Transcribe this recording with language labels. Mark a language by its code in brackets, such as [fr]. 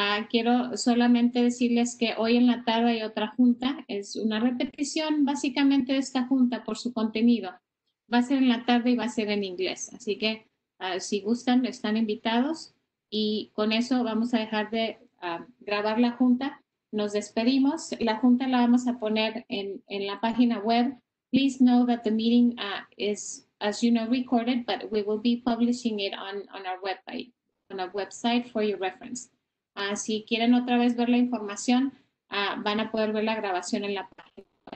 [es] Quiero solamente decirles que hoy en la tarde hay otra junta. Es una repetición básicamente de esta junta por su contenido. Va a ser en la tarde y va a ser en inglés. Así que si gustan, están invitados. Y con eso vamos a dejar de grabar la junta. Nos despedimos. La junta la vamos a poner en la página web. [en] Please know that the meeting is, as you know, recorded, but we will be publishing it on our website for your reference. [es] Si quieren otra vez ver la información, van a poder ver la grabación en la página.